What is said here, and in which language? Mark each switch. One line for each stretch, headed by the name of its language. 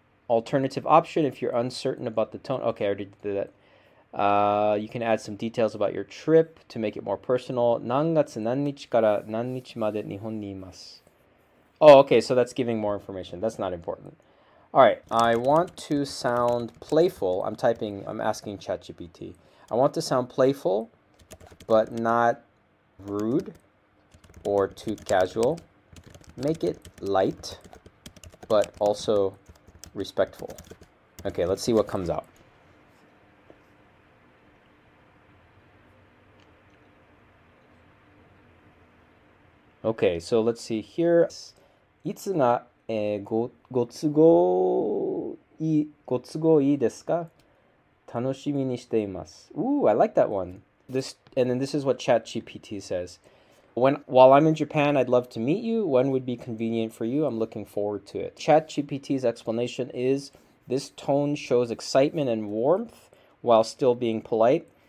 English: Alternative option if you're uncertain about the tone. Okay, I already did that. You can add some details about your trip to make it more personal.
Japanese: 何月何日から何日まで日本にいます。
English: Oh, okay, so that's giving more information. That's not important. All right, I want to sound playful. I'm asking ChatGPT. I want to sound playful, but not rude or too casual. Make it light, but also respectful. Okay, let's see what comes out. Okay, so let's see here.
Japanese: いつが、ご都合いい、ご都合いいですか? 楽しみにしています。
English: Ooh, I like that one. This and then this is what ChatGPT says. While I'm in Japan, I'd love to meet you. When would be convenient for you? I'm looking forward to it. ChatGPT's explanation is this tone shows excitement and warmth while still being polite.